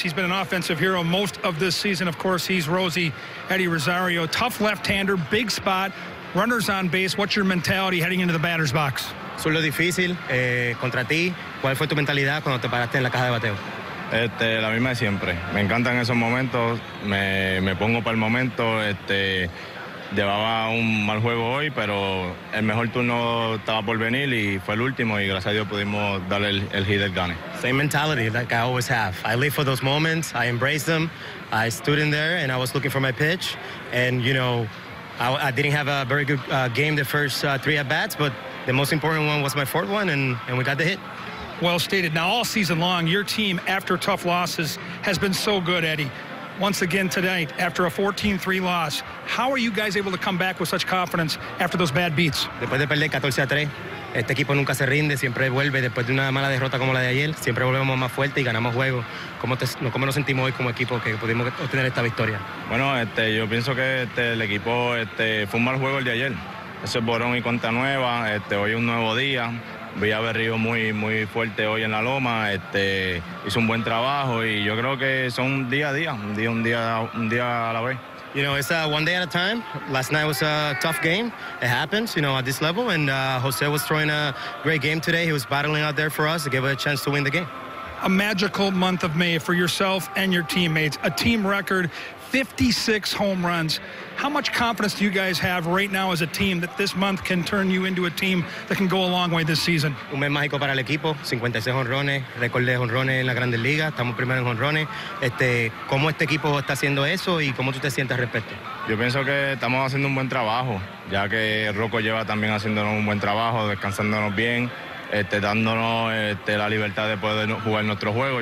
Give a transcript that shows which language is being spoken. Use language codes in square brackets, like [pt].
[en] He's been an offensive hero most of this season. Of course, he's Rosie Eddie Rosario. Tough left-hander, big spot, runners on base. What's your mentality heading into the batter's box? [es] Zurdo difícil, contra ti. ¿Cuál fue tu mentalidad cuando te paraste en la caja de bateo? La misma de siempre. Me encantan esos momentos. Me pongo para el momento. Llevaba un mal juego hoy, pero el mejor turno estaba por venir y fue el último y gracias a Dios pudimos darle el hit del gane. [en] Same mentality like I always have. I live for those moments, I embrace them. I stood in there and I was looking for my pitch. And, you know, I didn't have a very good game the first three at-bats, but the most important one was my fourth one and we got the hit. Well stated. Now, all season long, your team, after tough losses, has been so good, Eddie. Once again tonight, after a 14-3 loss, how are you guys able to come back with such confidence after those bad beats? [es] Después de perder 14-3, este equipo nunca se rinde, siempre vuelve. Después de una mala derrota como la de ayer, siempre volvemos más fuerte y ganamos juegos. ¿Cómo nos sentimos hoy como equipo que pudimos obtener esta victoria? Bueno, yo pienso que el equipo fue un mal juego el de ayer. Ese es Borón y cuenta nueva, hoy es un nuevo día. Vi a Berrío muy, muy fuerte hoy en la loma, hizo un buen trabajo y yo creo que son un día a la vez. [en] You know, it's one day at a time. Last night was a tough game. It happens, you know, at this level. And Jose was throwing a great game today. He was battling out there for us to give us a chance to win the game. A magical month of May for yourself and your teammates. A team record, 56 home runs. How much confidence do you guys have right now as a team that this month can turn you into a team that can go a long way this season? [es] Un mes mágico para el equipo, 56 jonrones, récord de jonrones en la Grandes Ligas, estamos primero en jonrones. ¿Cómo este equipo está haciendo eso y cómo tú te sientes al respecto? Yo pienso que estamos haciendo un buen trabajo, ya que Rocco lleva también haciéndonos un buen trabajo, descansándonos bien, dándonos la libertad de poder jugar nuestro juego.